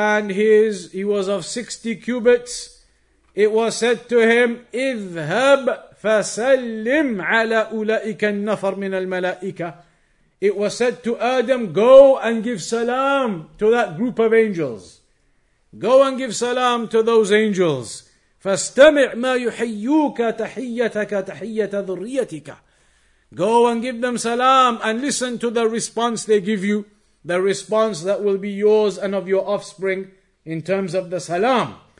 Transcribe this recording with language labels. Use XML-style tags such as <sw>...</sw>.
<en>he was of 60 cubits, it was said to him,</en> <ar>اذهب فسلم على أولئك النفر من الملائكة.</ar> <en>It was said to Adam, go and give salam to that group of angels. Go and give salam to those angels.</en> <ar>فاستمع ما يحييك تحيتك تحية ذريتك.</ar> <en>Go and give them salam and listen to the response they give you, the response that will be yours and of your offspring in terms of the salam.</en>